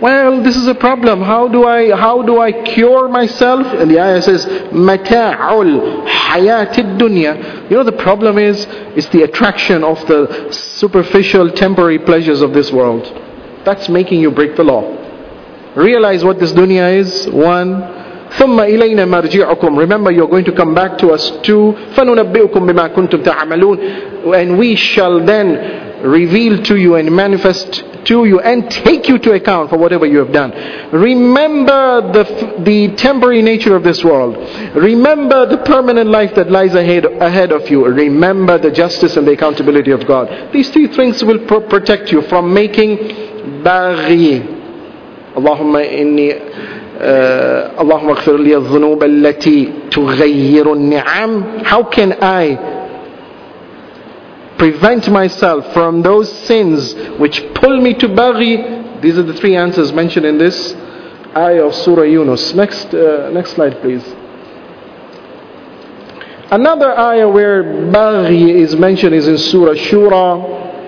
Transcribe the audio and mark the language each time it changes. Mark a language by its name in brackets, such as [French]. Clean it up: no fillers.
[English] Well, this is a problem. How do I cure myself? And the ayah says, [Arabic] مَتَاعُ الْحَيَاةِ الدُّنْيَا. [English] You know the problem is, it's the attraction of the superficial temporary pleasures of this world. That's making you break the law. Realize what this dunya is. [Arabic] One, ثُمَّ إِلَيْنَا مَرْجِعُكُمْ. [English] Remember, you're going to come back to us too. [Arabic] فَنُنَبِّئُكُمْ بِمَا كُنْتُمْ تَعْمَلُونَ. [English] And we shall then reveal to you and manifest to you and take you to account for whatever you have done. Remember the temporary nature of this world. Remember the permanent life that lies ahead of you. Remember the justice and the accountability of God. These three things will protect you from making بَغْيِ. [Arabic] اللهم إني اللهم اغفر لي الذنوب التي تغير النعم. [English] How can I prevent myself from those sins which pull me to baghi? These are the three answers mentioned in this ayah of Surah Yunus. Next slide, please. Another ayah where baghi is mentioned is in Surah Shura.